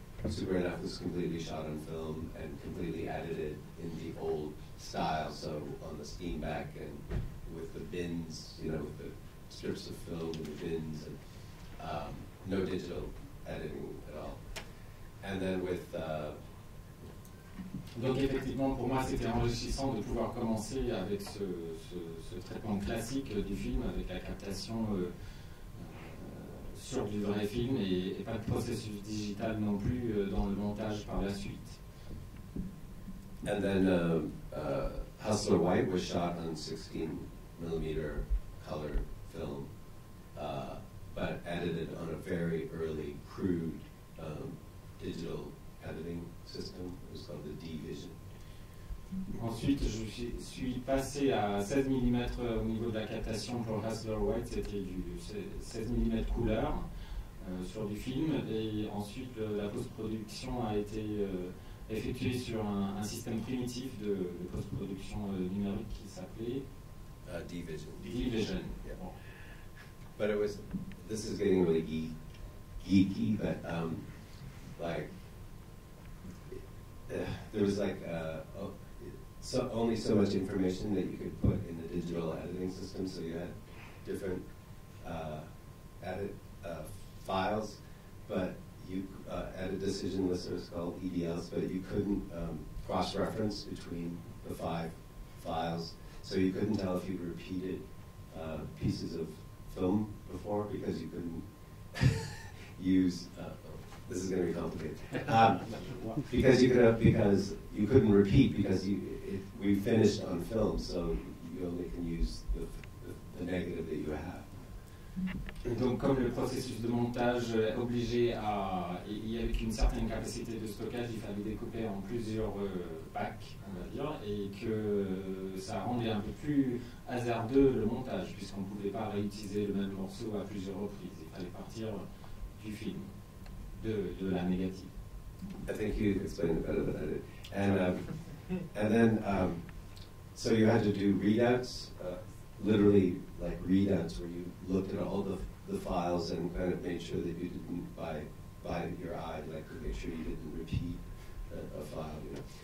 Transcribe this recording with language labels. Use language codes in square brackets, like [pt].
[en] Super 8 and a Half was completely shot on film and completely edited in the old style, so on the steam back and with the bins, you know, with the strips of film and the bins, and no digital editing at all. And then with... [fr] Donc effectivement, pour moi, c'était enrichissant de pouvoir commencer avec ce traitement classique du film, avec la captation sur du vrai film et pas de processus digital non plus dans le montage par la suite. [en] And then Hustler White was shot on 16mm color film, but edited on a very early crude digital editing system. It was called the D-Vision. [fr] Ensuite, je suis passé à 16mm au niveau de la captation pour Hustler White, c'était du 16mm couleur sur du film, et ensuite la post-production a été effectuée sur un système primitif de post-production numérique qui s'appelait [en] D-Vision. Yeah. But it was, this is getting really geeky, but there was like so only so much information that you could put in the digital editing system, so you had different edit files, but you at a decision list, it was called EDLs, but you couldn't cross-reference between the five files. So you couldn't tell if you'd repeated pieces of film before because you couldn't use, this is going to be complicated. because we finished on film, so you only can use the negative that you have. [fr] Donc, comme le processus de montage obligeait à, il y avait une certaine capacité de stockage, il fallait découper en plusieurs packs, on va dire, et que ça rendait un peu plus hasardeux le montage, puisqu'on ne pouvait pas réutiliser le même morceau à plusieurs reprises. Il fallait partir du film, de la négative. [en] I think you explained it better than I did. And then, so you had to do readouts, literally like readouts where you looked at all the files and kind of made sure that you didn't by your eye, like to make sure you didn't repeat a file, you know.